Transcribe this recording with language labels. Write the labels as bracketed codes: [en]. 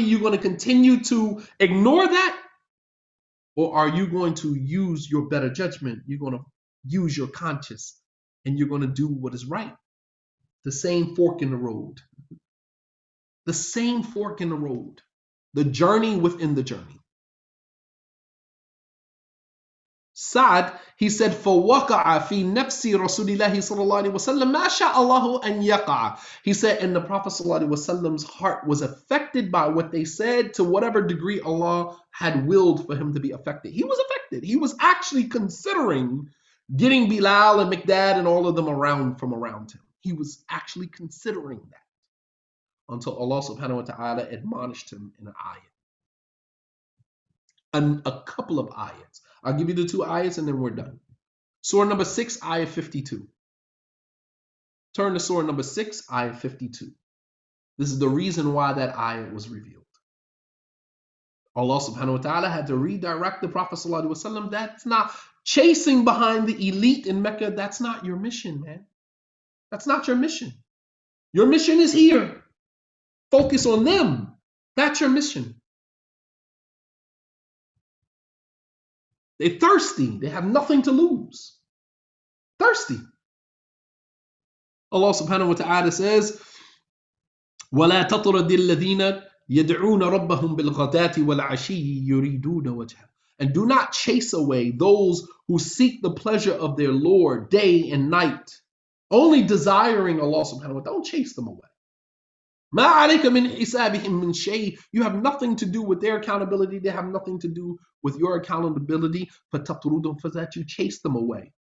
[en] You're going to continue to ignore that? Or are you going to use your better judgment? You're going to use your conscience and you're going to do what is right. The same fork in the road. The same fork in the road. The journey within the journey. [ar] Sa'd, [en] he said, [ar] فَوَقَعَ فِي نَفْسِ رَسُولِ اللَّهِ صَلَى اللَّهِ عَلَيْهِ وَسَلَّمَ مَا شَاءَ اللَّهُ أَنْ يَقَعَ. [en] He said, and the Prophet ﷺ's heart was affected by what they said to whatever degree Allah had willed for him to be affected. He was affected. He was actually considering getting Bilal and Miqdad and all of them around from around him. He was actually considering that until Allah subhanahu wa ta'ala admonished him in an ayah. A couple of ayahs. I'll give you the two ayahs and then we're done. Surah number 6, ayah 52. Turn to surah number 6, ayah 52. This is the reason why that ayah was revealed. Allah subhanahu wa ta'ala had to redirect the Prophet sallallahu alaihi wasallam. That's not chasing behind the elite in Mecca. That's not your mission, man. That's not your mission. Your mission is here. Focus on them. That's your mission. They're thirsty. They have nothing to lose. Thirsty. Allah subhanahu wa ta'ala says, [ar] وَلَا تَطْرَدِ الَّذِينَ يَدْعُونَ رَبَّهُمْ بِالْغَدَاتِ وَالْعَشِيِّ يُرِيدُونَ وَجْهًا. [en] And do not chase away those who seek the pleasure of their Lord day and night. Only desiring Allah subhanahu wa ta'ala, don't chase them away. [ar] مَا عَلَيْكَ مِنْ حِسَابِهِمْ مِنْ شَيْءٍ. [en] You have nothing to do with their accountability. They have nothing to do with your accountability. [ar] فَتَطْرُدُهُمْ, [en] for that you chase them away.